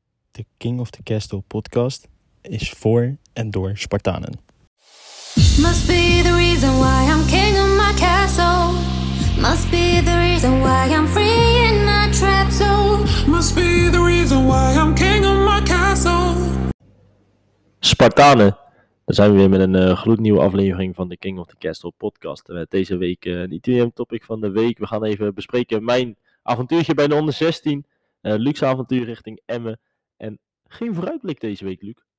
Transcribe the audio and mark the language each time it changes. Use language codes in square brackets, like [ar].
[nl] De King of the Castle podcast is voor en door Spartanen. [en] Must be the reason why I'm king of my castle. Must be the reason why I'm free in my trap zone. Must be the reason why I'm king of my castle. [nl] Spartanen, daar zijn we weer met een gloednieuwe aflevering van de King of the Castle podcast. Met deze week een ITM topic van de week. We gaan even bespreken mijn avontuurtje bij de onder 16. Luxe avontuur richting Emmen. En geen vooruitblik deze week, Luc.